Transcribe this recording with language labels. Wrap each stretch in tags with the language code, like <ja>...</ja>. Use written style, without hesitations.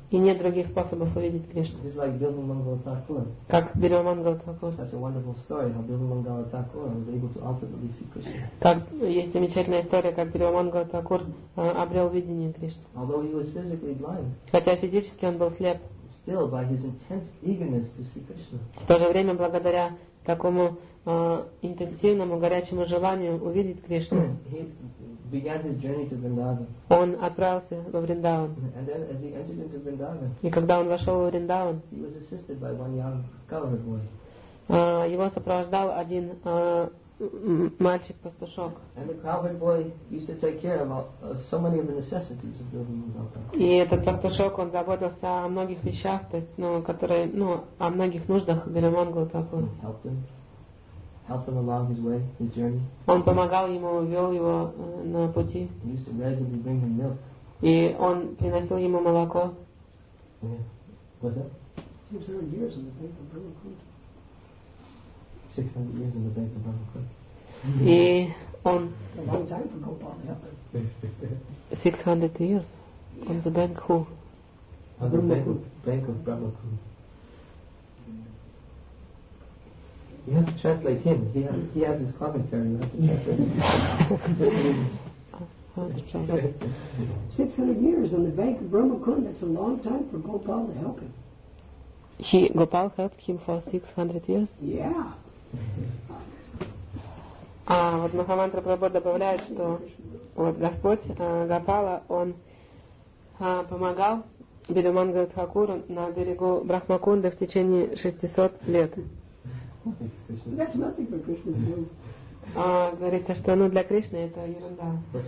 <ru>И нет других способов увидеть Кришну.</ru> <en>It's like Bilba Mangala Thakur.</en> <ru>Как Бирма Мангала Такур.</ru> <en>Such a wonderful story how Bilba Mangala Thakur was able to ultimately see Krishna.</en> <ru>Так есть замечательная история, как Бирма Мангала Такур обрел видение Кришны.</ru> <en>Although he was physically blind.</en> <ru>Хотя физически он был слеп.</ru> <en>Still by his intense eagerness to see Krishna.</en> <ru>В то же время благодаря такому интенсивному горячему желанию увидеть Кришну.</ru> <en>He began his journey to Vrindavan.</en> <ru>Он отправился во Вриндаван.</ru> <en>And then, as he entered into Vrindavan,</en> <ru>и когда он вошел во Вриндаван,</ru> <en>he was assisted by one young colored boy.</en> <ru>Его сопровождал один мальчик-пастушок.</ru> <en>And the colored boy used to take care of so many of the necessities of Bilba Mangala Thakur.</en> <ru>И этот пастушок, он заботился о многих вещах, то есть, о многих нуждах Бирмы Мангалы Такур.</ru> <en>Helped him along his way, his journey.</en> <ru>Он помогал ему, вел его на пути.</ru> <en>He used to regularly bring him milk.</en> <ru>И он приносил ему молоко.</ru> <en>Yeah. What's that? 600 years in the bank of Brahma Kund. 600 years in the bank of Brahma Kund.</en> <ru>И он.</ru> <en>It's a long time for Gopal, yeah. 600 years on the bank who? On the bank of Brahma Kund. You have to translate him. He has his commentary. You have to translate. 600 years on the bank of Brahma Kund. That's a long time for Gopal to help him. Gopal helped him for 600 years. Yeah.</en> <ru>Вот Махамантра Прабху добавляет, что вот Господь Гопала, он помогал Бирме Мангале Такур на берегу Брахма Кунды в течение 600 лет.</ru> <en>That's nothing for Krishna to do.</en> <ru>Говорится, что для Кришны это ерунда.</ru>